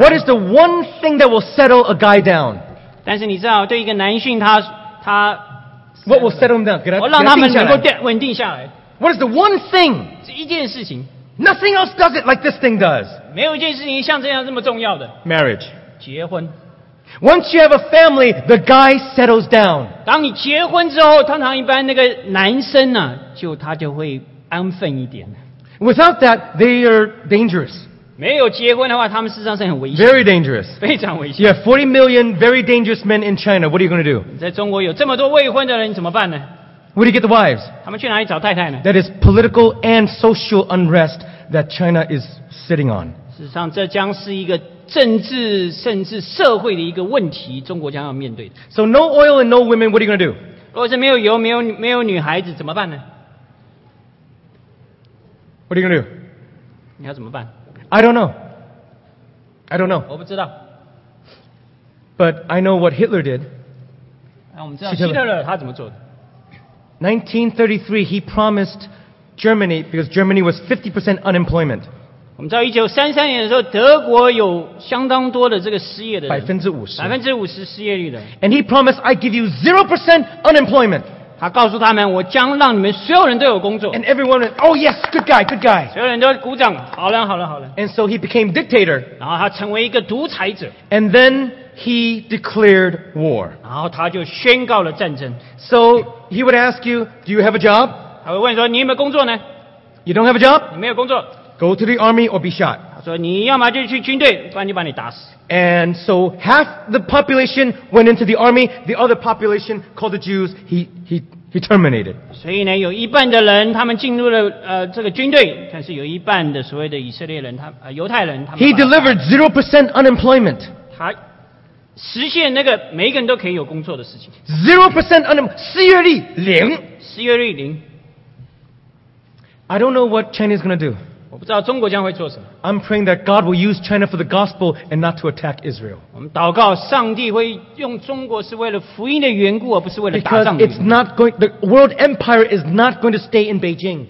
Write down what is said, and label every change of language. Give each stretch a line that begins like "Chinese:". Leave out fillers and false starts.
English: What is the one thing that will settle a guy down?
Chinese: 但是你知道，对一个男性他
English: What will settle him down?
Chinese: 给他，我让他们能够稳定下来。
English: What is the one thing?
Chinese: 是一件事情。
English: Nothing else does it like this thing does.
Chinese: 没有一件事情像这样这么重要的。
English: Marriage.
Chinese: 结婚。
English: Once you have a family, the guy settles down.
Chinese: 当你结婚之后，通常一般那个男生呢，就他就会安分一点。
English: Without that, they are dangerous.
Chinese: 没有结婚的话，他们事实上是很危险。
English: Very dangerous.
Chinese: 非常危险。
English: Yeah, 40 million very dangerous men in China. What are you going to do?
Chinese: 在中国有这么多未婚的人，你怎么办呢？
English: Where do you get the wives?
Chinese: 他们去哪里找太太呢？
English: That is political and social unrest that China is sitting on.
Chinese: 事实上，这将是一个政治甚至社会的一个问题，中国将要面对的。
English: So no oil and no women. What are you going to do?
Chinese: 如果是没有油，没有女孩子，怎么办呢？
English: What are you going to do?
Chinese: 你要怎么办？
English: I don't know.
Chinese: 我不知道。
English: But I know what Hitler did.
Chinese: 我们知道希特勒他怎么做的。
English: 1933, he promised Germany, because Germany was 50% unemployment.
Chinese: 我们知道1933年的时候，德国有相当多的这个失业的人。 50%。 50%失业率的。
English: And he promised, I give you 0% unemployment.
Chinese: 他告诉他们，我将让你们所有人都有工作。
English: And everyone went, oh yes, good guy, good guy.
Chinese: 所有人都鼓掌，好人，好人，好人。
English: And so he became dictator.
Chinese: 然后他成为一个独裁者。
English: And then he declared war.
Chinese: 然后他就宣告了战争。
English: So he would ask you, do you have a job?
Chinese: 他会问说，你有没有工作呢？
English: You don't have a job?
Chinese: 你没有工作。
English: Go to the army or be shot.
Chinese: 他说，你要么就去军队，不然就把你打死。
English: And so half the population went into the army. The other population, called the Jews, he terminated.
Chinese: 所以呢，有一半的人他们进入了这个军队，但是有一半的所谓的以色列人，犹太人他们。
English: He delivered 0% unemployment.
Chinese: 他实现那个每一个人都可以有工作的事情。
English: 0% unemployment,
Chinese: 失业率零。失业率零。
English: I don't know what China is going to do. I'm praying that God will use China for the gospel and not to attack Israel. Because it's not going, the world empire is not going to stay in Beijing.